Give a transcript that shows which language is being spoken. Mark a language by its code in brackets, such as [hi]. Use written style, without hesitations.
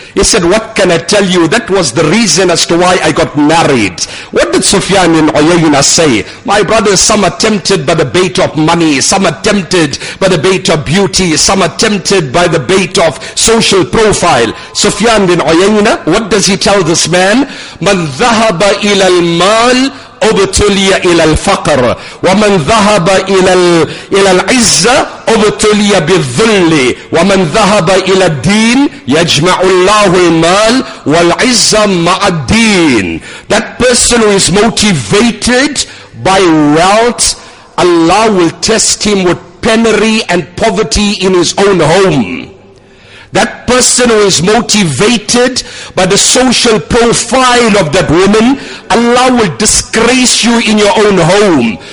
[en] He said, what can I tell you? That was the reason as to why I got married. What did Sufyan bin Uyaynah say? My brothers, some are tempted by the bait of money. Some are tempted by the bait of beauty. Some are tempted by the bait of social profile. Sufyan bin Uyaynah, what does he tell this man? [ar] Man ذهب إلى المال أبتلي إلى الفقر ومن ذهب إلى العزة أبتلي بالذل ومن ذهب إلى الدين يجمع الله المال والعزة مع الدين. [en] That person who is motivated by wealth, Allah will test him with penury and poverty in his own home. That person who is motivated by the social profile of that woman, Allah will disgrace you in your own home.